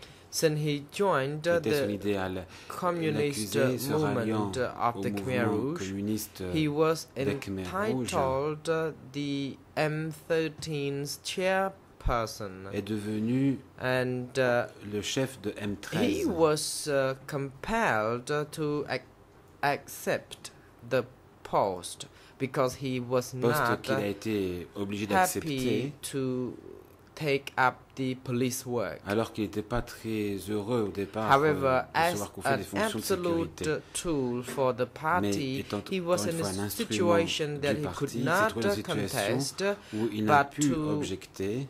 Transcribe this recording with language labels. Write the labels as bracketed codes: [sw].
[en] Since he joined the communist movement of the Khmer Rouge, he was entitled the M13's chairperson and [fr] le chef de M13. [en] He was compelled to accept the post because he was not happy to take up the police work. [fr] Alors qu'il n'était pas très heureux au départ de savoir qu'on fait des fonctions de sécurité. [en] Tool for the party, [fr] mais étant [en] he was in a situation that he could not contest, [fr] où il n'a pu objecter,